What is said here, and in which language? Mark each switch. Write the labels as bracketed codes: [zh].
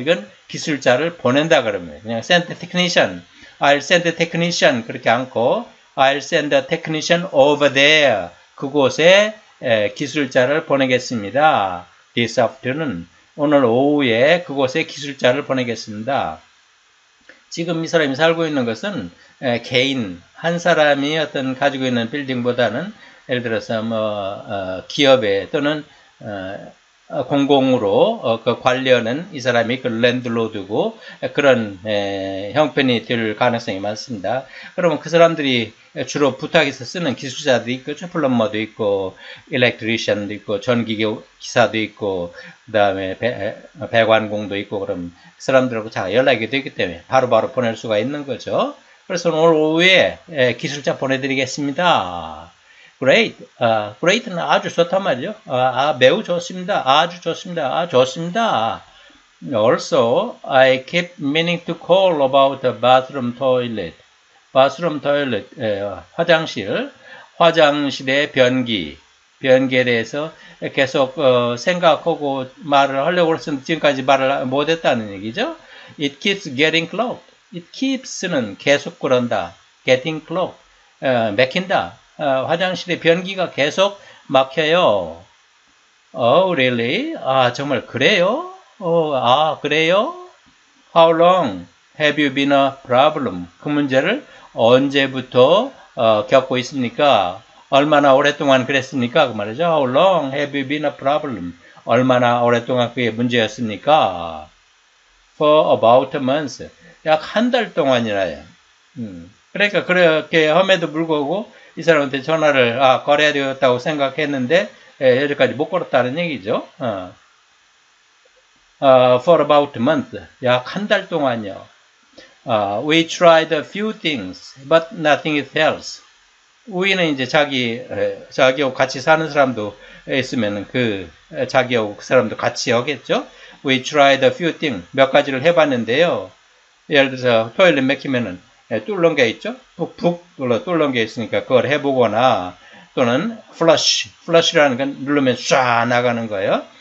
[ko] 이건 기술자를 보낸다 그러면. 그냥 [en] send technician. I'll send a technician. [ko] 그렇게 않고, [en] I'll send a technician over there. [ko] 그곳에 기술자를 보내겠습니다. [en] This afternoon. [ko] 오늘 오후에 그곳에 기술자를 보내겠습니다. 지금 이 사람이 살고 있는 것은 개인, 한 사람이 어떤 가지고 있는 빌딩보다는 예를 들어서 뭐, 기업에 또는 공공으로 그 관리하는 이 사람이 그 랜드로드고 그런 형편이 될 가능성이 많습니다. 그러면 그 사람들이 주로 부탁해서 쓰는 기술자도 있고 플럼버도 있고 일렉트리션도 있고 전기 기사도 있고 그다음에 배관공도 있고 그런 사람들하고 잘 연락이 되기 때문에 바로바로 보낼 수가 있는 거죠. 그래서 오늘 오후에 기술자 보내드리겠습니다. [en] Great. [ko] Great는 아주 좋단 말이죠. 매우 좋습니다. 아주 좋습니다. 좋습니다. [en] Also, I keep meaning to call about the bathroom toilet. Bathroom toilet, [ko] 화장실. 화장실의 변기. 변기에 대해서 계속 생각하고 말을 하려고 했었는데 지금까지 말을 못했다는 얘기죠. [en] It keeps getting clogged. It keeps는 [ko] 계속 그런다. [en] Getting clogged. [ko] 맥힌다. 화장실에 변기가 계속 막혀요. [en] Oh, really? [ko] 아, 정말 그래요? 그래요? [en] How long have you been a problem? [ko] 그 문제를 언제부터 겪고 있습니까? 얼마나 오랫동안 그랬습니까? 그 말이죠. [en] How long have you been a problem? [ko] 얼마나 오랫동안 그게 문제였습니까? [en] For about a month. [ko] 약한달 동안이라요. 그러니까 그렇게 함에도 불구하고 이 사람한테 전화를 걸어야 되겠다고 생각했는데 여기까지 못 걸었다는 얘기죠. [en] For about a month, [ko] 약한달 동안요. [en] We tried a few things, but nothing else. [ko] We는 이제 자기하고 같이 사는 사람도 있으면 그 자기하고 그 사람도 같이 하겠죠. [en] We tried a few things, [ko] 몇 가지를 해봤는데요. 예를 들어서 토일렛 막히면은 뚫는 게 있죠? 푹푹 눌러 뚫는 게 있으니까 그걸 해보거나 또는 플러시라는 건 누르면 쏴 나가는 거예요.